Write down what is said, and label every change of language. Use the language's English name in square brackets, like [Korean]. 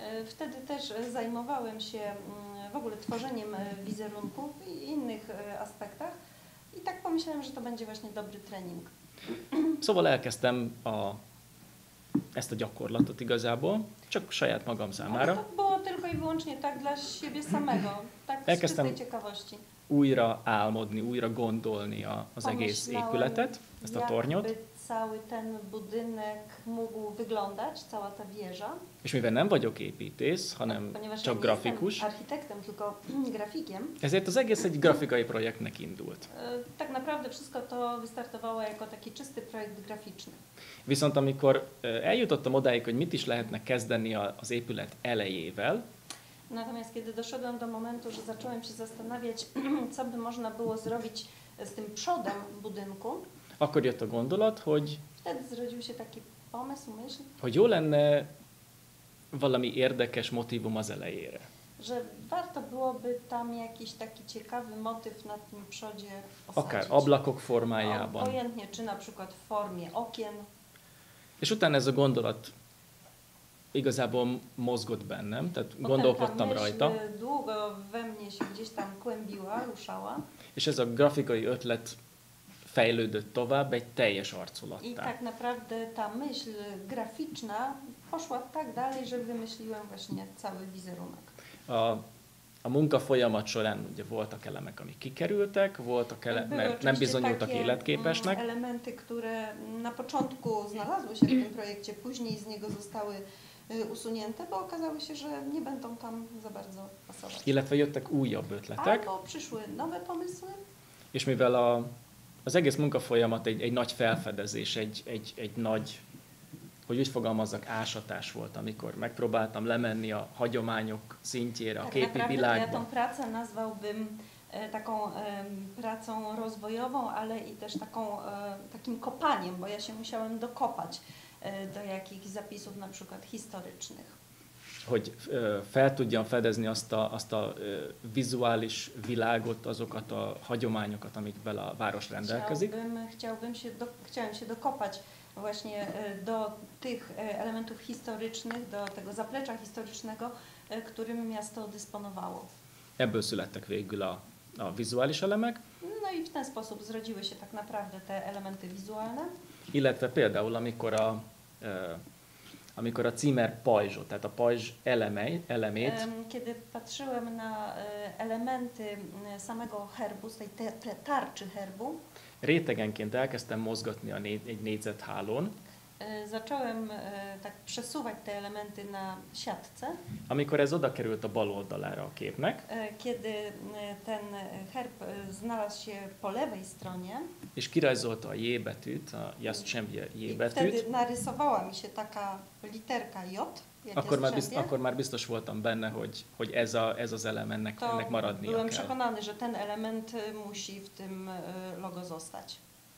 [Polish] Wtedy też zajmowałem się w ogóle tworzeniem wizerunku i innych aspektach i tak pomyślałem, że to będzie właśnie dobry trening. [Hungarian] Szóval elkezdtem ezt a gyakorlatot igazából, csak saját magam számára. [Polish] To było tylko i wyłącznie tak dla siebie samego, tak z [Hungarian] elkezdtem [Polish] czystej ciekawości. [Hungarian] Újra álmodni, újra gondolni az egész épületet, ezt a tornyot. [Polish] Cały ten budynek mógł wyglądać, cała ta wieża. [Hungarian] És mivel nem vagyok építész, hanem csak grafikus. [Polish] Architektem, tylko grafikiem. [Hungarian] Ezért az egész egy grafikai projektnek indult. [Polish] Tak naprawdę wszystko to wystartowało jako taki czysty projekt graficzny. [Hungarian] Viszont amikor eljutottam odáig, hogy mit is lehetne kezdeni az épület elejével. [Polish] Natomiast kiedy doszedłem do momentu, że zacząłem się zastanawiać, co by można było zrobić z tym przodem budynku. [Hungarian] Akkor jött a gondolat, hogy [Polish] wtedy zrodził się taki pomysł, myśl, [Hungarian] hogy jó lenne valami érdekes motívum az elejére. [Polish] Że warto byłoby tam jakiś taki ciekawy motyw na tym przodzie osadzić. [Hungarian] Akár ablakok formájában. [Polish] Pojętnie, czy na przykład w formie okien. [Hungarian] És utána ez a gondolat igazából mozgott bennem, tehát [Polish] potem [Hungarian] gondolkodtam rajta. [Polish] Potem długo we mnie się gdzieś tam kłębiła, ruszała. [Hungarian] És ez a grafikai ötlet fejlődött tovább egy teljes arculattá. [Polish] I tak naprawdę ta myśl graficzna poszła tak dalej, że wymyśliłem właśnie cały wizerunek. [Hungarian] A a munka folyamat során ugye voltak elemek, amik kikerültek, voltak elemek, mert nem bizonyultak életképesnek. [Polish] Elementy, które na początku znalazły się w tym projekcie, później z niego zostały usunięte, bo okazało się, że nie będą tam za bardzo pasować. [Hungarian] Illetve jöttek újabb ötletek. [Polish] Albo przyszły nowe pomysły. [Hungarian] És mivel az egész munkafolyamat egy nagy felfedezés, egy nagy, hogy úgy fogalmazzak, ásatás volt, amikor megpróbáltam lemenni a hagyományok szintjére, a képi világba. [Polish] Tak naprawdę ja tą pracę nazwałbym taką pracą rozwojową, ale i też takim kopaniem, bo ja się musiałem dokopać do jakichś zapisów, na przykład historycznych. [Hungarian] Hogy fel tudjam fedezni azt a vizuális világot, azokat a hagyományokat, amikbel a város rendelkezik. [Polish] Chciałem się dokopać właśnie do tych elementów historycznych, do tego zaplecza historycznego, którym miasto dysponowało. [Hungarian] Ebből születtek végül a vizuális elemek. [Polish] No i w ten sposób zrodziły się tak naprawdę te elementy wizualne. [Hungarian] Illetve például, amikor a címer pajzsot, tehát a pajzs elemét... [Polish] Kiedy patrzyłem na elementy samego herbu, tej tarczy herbu, [Hungarian] rétegenként elkezdtem mozgatni egy négyzethálón. [Polish] Zacząłem tak przesuwać te elementy na siatce. [Hungarian] Amikor ez oda került a bal oldalára a képnek. [Polish] Kiedy ten herb znalazł się po lewej stronie. [Hungarian] És kirajzolta a J betűt, a Jastrzębie J betűt. [Polish] Wtedy narysowała mi się taka literka J. [Hungarian] Akkor már biztos voltam benne, hogy ez az elem ennek maradnia kell. [Polish] Byłem przekonany, że ten element musi w tym logo zostać.